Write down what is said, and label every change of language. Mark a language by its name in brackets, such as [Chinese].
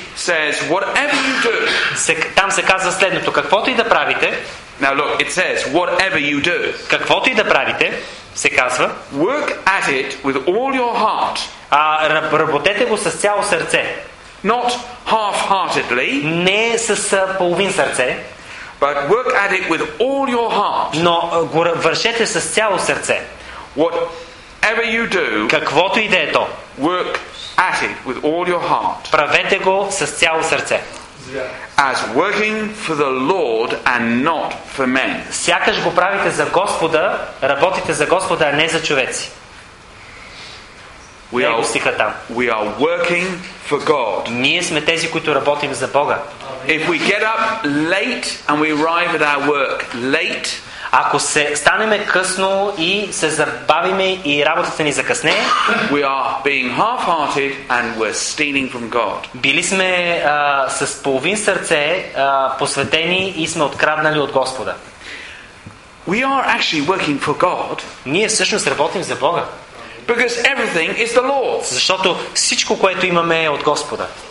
[English] Says whatever you do. [Bulgarian] Там се казва следното: каквото и да правите. [English] Now look, it says whatever you do. [Bulgarian] Каквото и да правите, се казва. [English] Work at it with all your heart. [Bulgarian] Работете го с цяло сърце. [English] Not half-heartedly. [Bulgarian] Не с половин сърце. [English] But work at it with all your heart. [Bulgarian] Но го вършете с цяло сърце. [English] Whatever you do. [Bulgarian] Каквото и да е то. [English] Work at it with all your heart. [Bulgarian] Правете го с цяло сърце. [English] As working for the Lord and not for men. [Bulgarian] Сякаш го правите за Господа, работите за Господа, а не за човеци. [English] We are working for God. [Bulgarian] Ние сме тези, които работим за Бога. [English] If we get up late and we arrive at our work late, [Bulgarian] ако се станеме късно и се забавиме и работата ни закъснее, [English] we are being half-hearted and we're stealing from God. [Bulgarian] Били сме с половин сърце посветени и сме откраднали от Господа. [English] We are actually working for God. [Bulgarian] Ние всъщност работим за Бога. [English] Because everything is the Lord. [Bulgarian] Защото всичко, което имаме, е от Господа.